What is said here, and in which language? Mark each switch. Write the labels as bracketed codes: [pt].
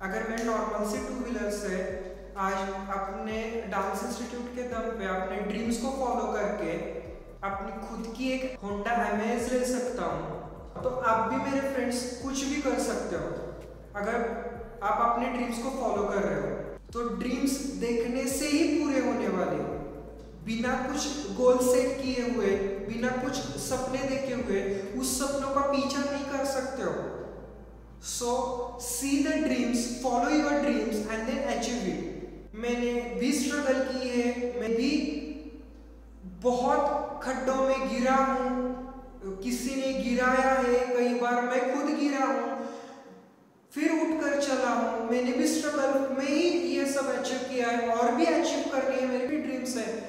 [hi] अगर मैं नॉर्मल से टू व्हीलर से आज अपने डांस इंस्टीट्यूट के दम पे अपने ड्रीम्स को फॉलो करके अपनी खुद की एक होंडा एमेज ले सकता हूँ, तो आप भी मेरे फ्रेंड्स कुछ भी कर सकते हो। अगर आप अपने ड्रीम्स को फॉलो कर रहे हो तो ड्रीम्स देखने से ही पूरे होने वाले, बिना कुछ गोल सेट किए हुए, बिना कुछ सपने देखे हुए उस सपनों का पीछा नहीं कर सकते हो। [en] So, see the dreams, follow your dreams and then achieve it. [hi] मैंने भी स्ट्रगल की है, मैं भी बहुत खड्डों में गिरा हूँ, किसी ने गिराया है, कई बार मैं खुद गिरा हूँ फिर उठकर चला हूँ। मैंने भी स्ट्रगल में ही ये सब अचीव किया है और भी अचीव करनी है, मेरे भी ड्रीम्स है।